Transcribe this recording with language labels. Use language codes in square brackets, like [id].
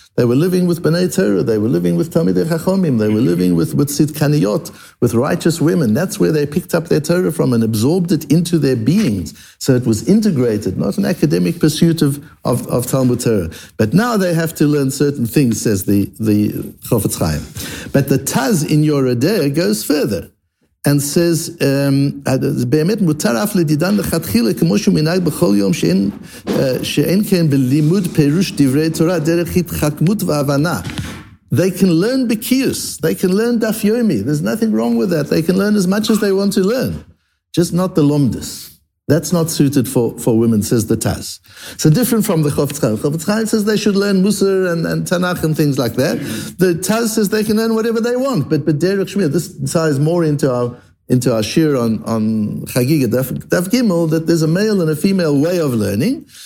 [en] They were living with Bnei Torah, they were living with Talmidei Chachomim, they were living with Tzidkaniyot, with righteous women. That's where they picked up their Torah from and absorbed it into their beings. So it was integrated, not an academic pursuit of Talmud Torah. But now they have to learn certain things, says the Chofetz Chaim. But the Taz in Yoredeh goes further. and says, [he] באמת מותר אף לדידן לכתחילה, כמו שהוא מנהג בכל יום, שאין כן בלימוד פירוש דברי תורה, דרך התחכמות והבנה. [en] They can learn bekius. They can learn daf yomi. There's nothing wrong with that. They can learn as much as they want to learn. Just not the lomdus. That's not suited for women, says the Taz. So different from the Chofetz Chaim. Chofetz Chaim says they should learn Musar and Tanakh and things like that. The Taz says they can learn whatever they want. But Derek Shmir, this ties more into our shir on Chagiga Daf Gimel, that there's a male and a female way of learning.